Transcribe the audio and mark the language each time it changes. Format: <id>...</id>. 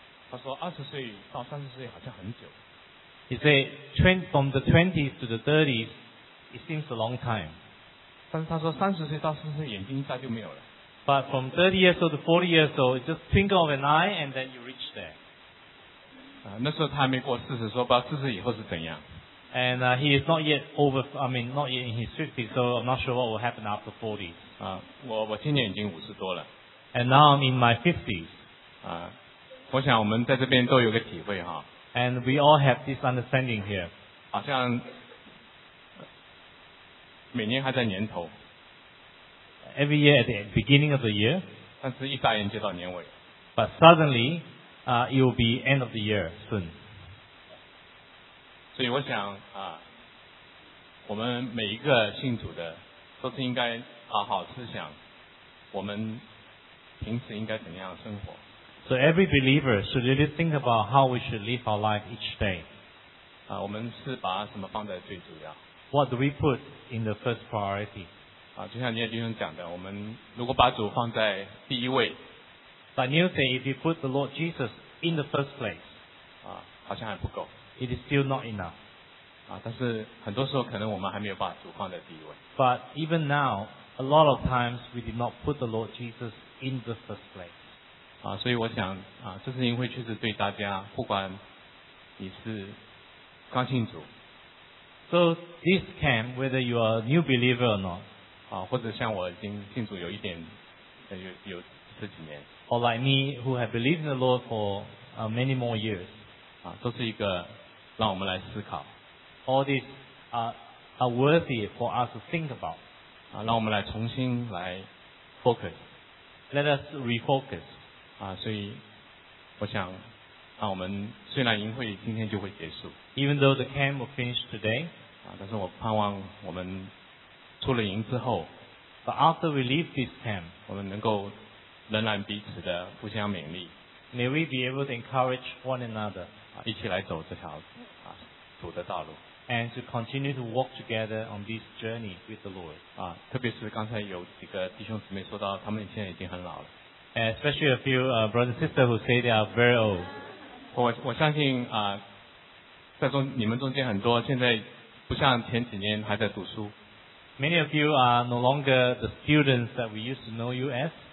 <zh>他说二十岁到三十岁好像很久。</zh> <en>He said, from the 20s to the 30s, it seems a long time.</en> <zh>但是他说三十岁到四十岁眼睛一眨就没有了。</zh> <en>But from 30 years old to 40 years old, it just twinkle of an eye and then you reach there.</en> <zh>那时候他还没过四十，说不知道四十以后是怎样。</zh> <en>And he is not yet not yet in his 50s, so I'm not sure what will happen after 40s.</en> <zh>我今年已经五十多了。</zh> <en>And now I'm in my 50s.</en> <zh>我想我们在这边都有个体会哈。</zh> <en>And we all have this understanding here.</en> <zh>好像每年还在年头。</zh> <en>Every year at the beginning of the year.</en> <zh>但是一眨眼就到年尾。</zh> <en>But suddenly, it will be end of the year soon.</en> <zh>所以我想我们每一个信主的都是应该好好思想我们平时应该怎样生活。</zh> <en>So every believer should really think about how we should live our life each day.</en> <zh>我们是把什么放在最主要？</zh> <en>What do we put in the first priority?</en> <zh>就像聂弟兄讲的，我们如果把主放在第一位。</zh> <en>But Neil said, if you put the Lord Jesus in the first place,</en> <zh>好像还不够。</zh> <en>It is still not enough.</en> <zh>但是很多时候可能我们还没有把主放在第一位。</zh> <en>But even now, a lot of times we did not put the Lord Jesus in the first place.</en> <zh>所以我想这次营会确实对大家不管你是刚信主。</zh> <en>So this camp, whether you are a new believer or not,</en> <zh>或者像我已经信主有一点有十几年。</zh> <en>Or like me, who have believed in the Lord for many more years,</en> <zh>都是一个让我们来思考。</zh> <en>All these are worthy for us to think about.</en> <zh>让我们来重新来 focus.</zh> <en>Let us refocus.</en> <zh>所以我想我们虽然营会今天就会结束。</zh> <en>Even though the camp will finish today,</en> <zh>但是我盼望我们出了营之后</zh> <en>,but after we leave this camp,</en> <zh>我们能够仍然彼此的互相勉励。</zh> <en>May we be able to encourage one another,</en> <zh>一起来走这条主的道路。</zh> <en>And to continue to walk together on this journey with the Lord.</en> <zh>特别是刚才有几个弟兄姊妹说到他们现在已经很老了。</zh> <en>Especially a few brothers and sisters who say they are very old.</en> <zh>我相信你们中间很多现在不像前几年还在读书。</zh> <en>Many of you are no longer the students that we used to know you as.</en>